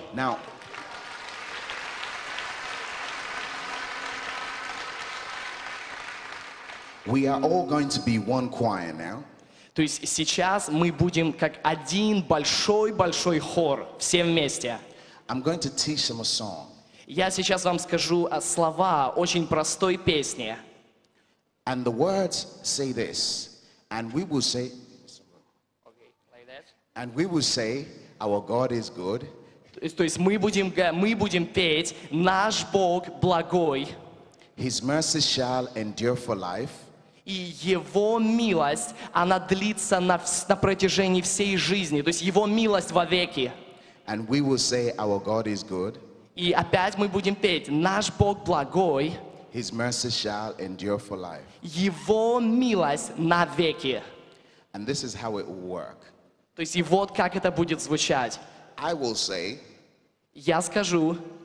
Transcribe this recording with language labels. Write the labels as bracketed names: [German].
[English] Now, we are all going to be one choir now. [Russian] То есть сейчас мы будем как один большой-большой хор, все вместе. [English] I'm going to teach them a song. [Russian] Я сейчас вам скажу слова очень простой песни. [English] And the words say this, and we will say, and we will say, our God is good. [Russian] То есть мы будем петь, наш Бог благой. [English] His mercy shall endure for life. [Russian] И его милость, она длится на протяжении всей жизни, то есть его милость вовеки. [English] And we will say, our God is good. [Russian] И опять мы будем петь, наш Бог благой. [English] His mercy shall endure for life. [Russian] Его милость навеки. [English] And this is how it will work. [Russian] То есть и вот как это будет звучать. [English] I will say. [Russian] Я скажу.